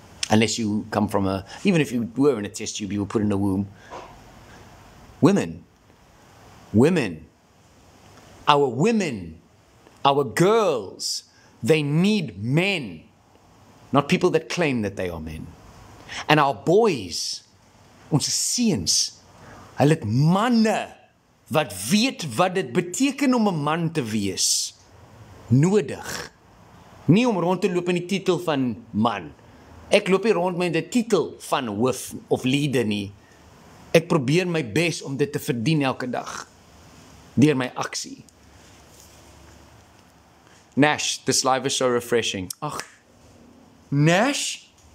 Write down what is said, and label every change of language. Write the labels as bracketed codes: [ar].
[en] Unless you come from a, even if you were in a test tube, you were put in a womb. Women, our women, our girls, they need men, not people that claim that they are men. And our boys, [af] ons seuns, hulle manne, wat weet wat dit beteken om 'n man te wees, nodig. Nie om rond te loop in die titel van man. Ek loop nie rond met die titel van hoof of leader nie. Ek probeer my bes om dit te verdien elke dag, deur my aksie. [en] Nash, this life is so refreshing. Ach, Nash?